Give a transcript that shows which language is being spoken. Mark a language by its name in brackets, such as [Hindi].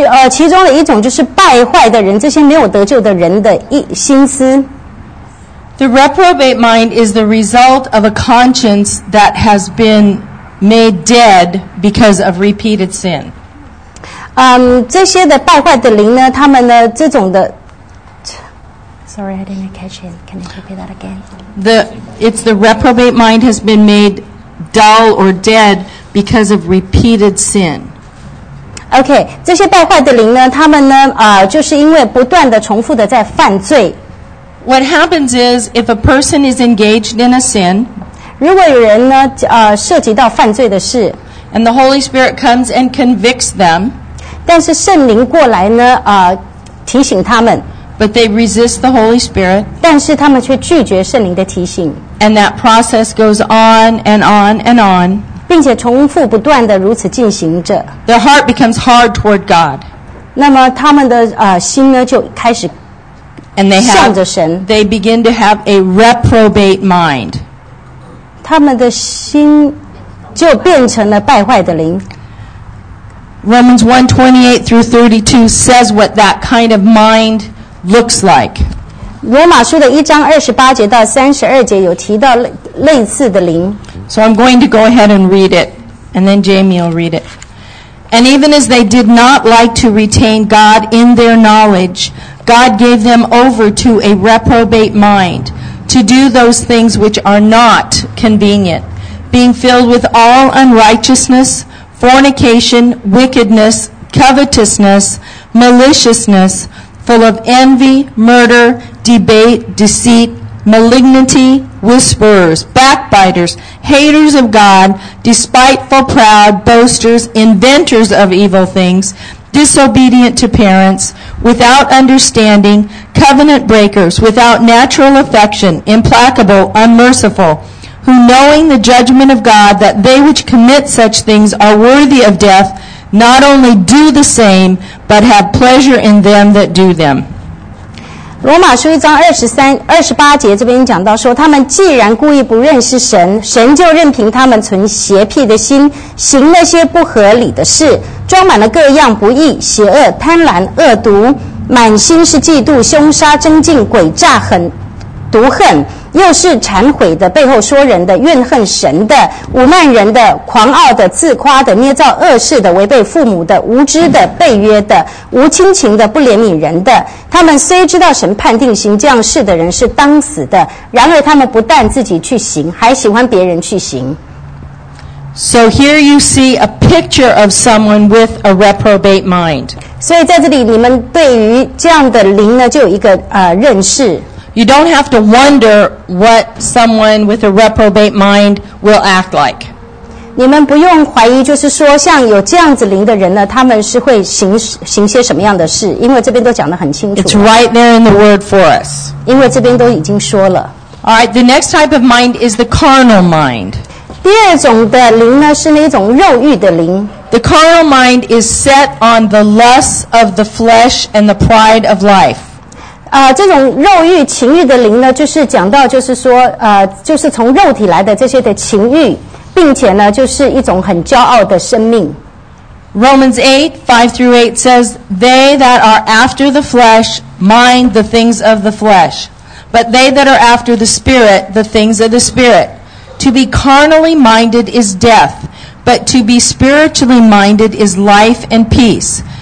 [Chinese] 其中的一种就是败坏的人，这些没有得救的人的心思。 [English] The reprobate mind is the result of a conscience that has been made dead because of repeated sin. [Chinese] 这些的败坏的灵呢，他们呢，这种的 ， [English] Sorry, I didn't catch it. Can you repeat that again? It's the reprobate mind has been made dull or dead because of repeated sin. [Chinese] Okay, 这些败坏的灵呢，他们呢，就是因为不断的、重复的在犯罪。 [English] What happens is if a person is engaged in a sin, [Chinese] 如果有人呢，涉及到犯罪的事 [English] ，and the Holy Spirit comes and convicts them. [Chinese] 但是圣灵过来呢，提醒他们。 [English] But they resist the Holy Spirit. [Chinese] 但是他们却拒绝圣灵的提醒。 [English] And that process goes on and on and on. [Chinese] 并且重复不断的如此进行着。 [English] Their heart becomes hard toward God. [Chinese] 那么他们的心呢就开始。 [English] And they begin to have a reprobate mind. [Chinese] 他们的心就变成了败坏的灵。 [English] Romans 1:28 through 32 says what that kind of mind looks like. [Chinese] 罗马书的一章二十八节到三十二节有提到类似的灵。 [English] So I'm going to go ahead and read it, and then Jamie will read it. And even as they did not like to retain God in their knowledge, God gave them over to a reprobate mind to do those things which are not convenient, being filled with all unrighteousness, fornication, wickedness, covetousness, maliciousness, full of envy, murder, debate, deceit, malignity, whisperers, backbiters, haters of God, despiteful, proud, boasters, inventors of evil things, disobedient to parents, without understanding, covenant breakers, without natural affection, implacable, unmerciful, who knowing the judgment of God that they which commit such things are worthy of death, not only do the same, but have pleasure in them that do them. [Chinese] 罗马书一章二十三、二十八节这边讲到说，他们既然故意不认识神，神就任凭他们存邪僻的心，行那些不合理的事，装满了各样不义、邪恶、贪婪、恶毒，满心是嫉妒、凶杀、争竞、诡诈、狠毒恨，又是忏悔的、背后说人的、怨恨神的、侮慢人的、狂傲的、自夸的、捏造恶事的、违背父母的、无知的、背约的、无亲情的、不怜悯人的。他们虽知道神判定行这样事的人是当死的，然而他们不但自己去行，还喜欢别人去行。 [English] So here you see a picture of someone with a reprobate mind. [Chinese] 所以在这里，你们对于这样的灵呢，就有一个认识。 [English] You don't have to wonder what someone with a reprobate mind will act like. [Chinese] 你们不用怀疑，就是说像有这样子灵的人呢，他们是会行些什么样的事？因为这边都讲得很清楚。 [English] It's right there in the word for us. [Chinese] 因为这边都已经说了。 [English] All right, the next type of mind is the carnal mind. [Chinese] 第二种的灵呢，是那种肉欲的灵。 [English] The carnal mind is set on the lusts of the flesh and the pride of life. [Chinese] 这种肉欲、情欲的灵呢，就是讲到，就是说，就是从肉体来的这些的情欲，并且呢，就是一种很骄傲的生命。 [English] Romans 8:5-8 says, "They that are after the flesh mind the things of the flesh, but they that are after the Spirit the things of the Spirit. To to be carnally minded is death, but to be spiritually minded is life and peace.